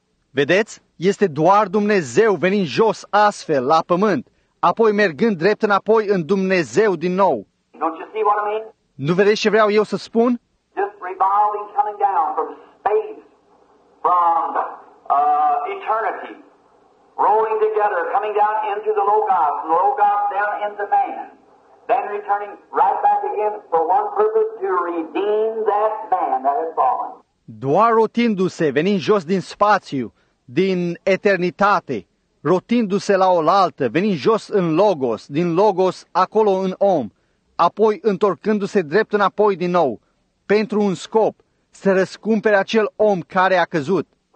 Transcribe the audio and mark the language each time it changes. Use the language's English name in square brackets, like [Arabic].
[Romanian] Vedeți? Este doar Dumnezeu venind jos astfel, la pământ, apoi mergând drept înapoi în Dumnezeu din nou. [English] Don't you see what I mean? [Romanian] Nu vedeți ce vreau eu să spun? [English] Just revolving, coming down from space, from eternity, rolling together, coming down into the Logos, and Logos down into man, then returning right back again for one purpose, to redeem that man that has fallen. [Romanian] Doar rotindu-se, venind jos din spațiu, din eternitate, rotindu-se la oaltă, venind jos în Logos, din Logos acolo în om, apoi întorcându-se drept înapoi din nou, pentru un scop, să răscumpere acel om care a căzut.